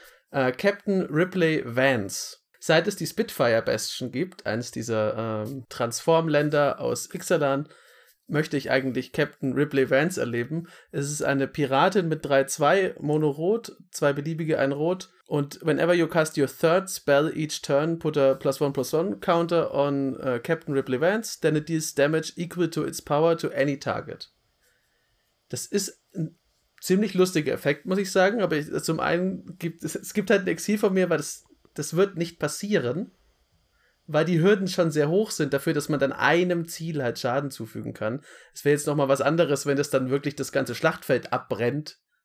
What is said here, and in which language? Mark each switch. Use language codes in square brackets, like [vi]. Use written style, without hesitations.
[de] Captain Ripley Vance. Seit es die Spitfire-Bastion gibt, eines dieser Transform-Länder aus Ixalan, möchte ich eigentlich Captain Ripley Vance erleben. Es ist eine Piratin mit 3-2, Mono-Rot, 2 beliebige, 1 Rot. [en] Und whenever you cast your third spell each turn, put a +1/+1 counter on Captain Ripley Vance, then it deals damage equal to its power to any target. [de] Das ist ein ziemlich lustiger Effekt, muss ich sagen. Aber es gibt halt ein Exil von mir, weil das wird nicht passieren. Weil die Hürden schon sehr hoch sind dafür, dass man dann einem Ziel halt Schaden zufügen kann. Es wäre jetzt nochmal was anderes, wenn das dann wirklich das ganze Schlachtfeld abbrennt.